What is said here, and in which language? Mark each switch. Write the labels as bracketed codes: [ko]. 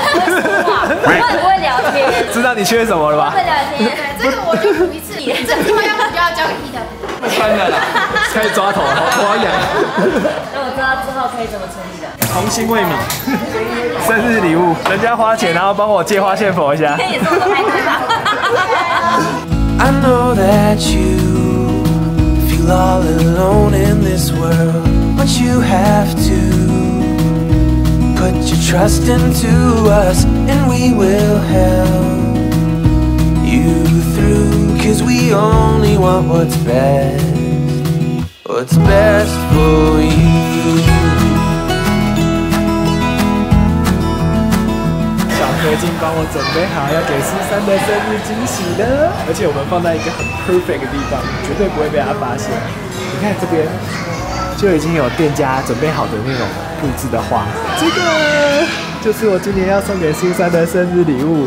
[zh] 真的很会说话，我很会聊天。知道你缺什么了吧？会聊天，这个我就补一次，这句话要不就要交给 Peter。不穿了啦，开始抓头，好痒。那我知道之后可以怎么处理的。童心未泯，生日礼物，人家花钱，然后帮我借花献佛一下。 [en] I know that you feel all alone in this world, but you have to put your trust into us, and we will help you through. 'Cause we only want what's best for you. [zh] 我已经帮我准备好要给苏珊的生日惊喜了，而且我们放在一个很 perfect 的地方，绝对不会被他发现。你看这边就已经有店家准备好的那种布置的花，这个就是我今年要送给苏珊的生日礼物。